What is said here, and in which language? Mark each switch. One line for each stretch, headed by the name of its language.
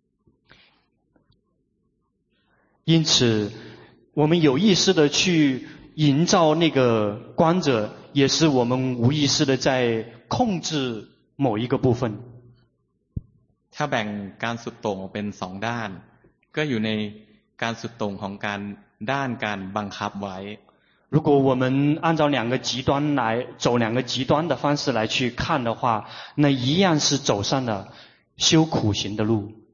Chinese: 因此我们有意识的去营造那个观者也是我们无意识的在控制某一个部分
Thai: ถ้าแบ่งการสุดโต่งเป็นสองด้านก็อยู่ในการสุดโต่งของการด้านการบังคับไว้
Chinese: 如果我们按照两个极端来走两个极端的方式来去看的话那一样是走上了修苦行的路